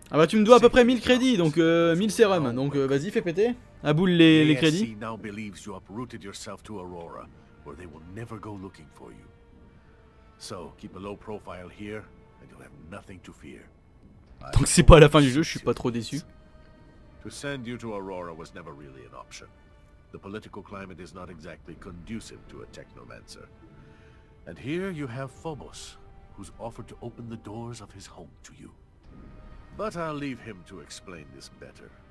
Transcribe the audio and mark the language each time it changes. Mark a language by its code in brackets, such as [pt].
[fr] Ah bah tu me dois à peu près 1000 crédits, donc 1000 sérums. Donc vas-y, fais péter. À boule les crédits. [en] The SC now believes you uprooted yourself to Aurora, where they will never go looking for you. So keep a low profile here, and you'll have nothing to fear. [fr] Donc c'est pas la fin du jeu, je suis pas trop déçu. [en] To send you to Aurora was never really an option. The political climate is not exactly conducive to a technomancer. And here you have Phobos, who's offered to open the doors of his home to you. But I'll leave him to explain this better.